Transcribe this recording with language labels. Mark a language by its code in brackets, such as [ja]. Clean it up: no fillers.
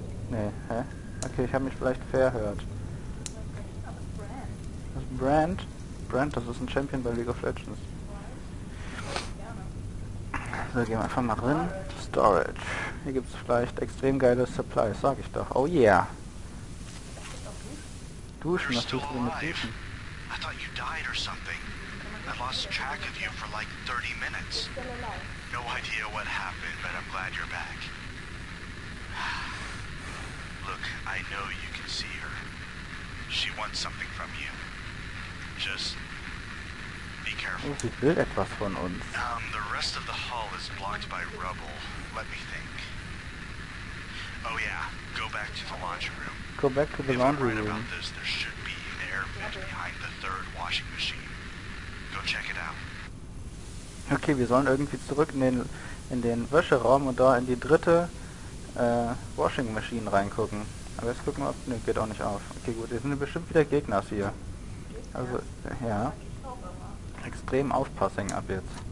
[de] Nee, hä? Okay, ich habe mich vielleicht verhört. Das ist Brand? Brand, das ist ein Champion bei League of Legends. So, gehen wir einfach mal rein. Storage. Hier gibt's vielleicht extrem geile Supplies, sag ich doch. [en] Oh yeah! You're still alive. I thought you died or something. I lost track of you for like 30 minutes. No idea what happened, but I'm glad you're back. Look, I know you can see her. She wants something from you. Just be careful. [de] Oh, sie will etwas von uns. [en] The rest of the hall is blocked by rubble. Let me think. Oh yeah, go back to the laundry room. Go back to the laundry room. About this, there should be an air vent behind the third washing machine. Go check it out. [de] Okay, wir sollen irgendwie zurück in den Wäscheraum und da in die dritte [en] Washing Machine [de] reingucken. Aber jetzt gucken wir, ob. Ne, geht auch nicht auf. Okay, gut, hier sind bestimmt wieder Gegner hier. Also, ja. Extrem aufpassen ab jetzt.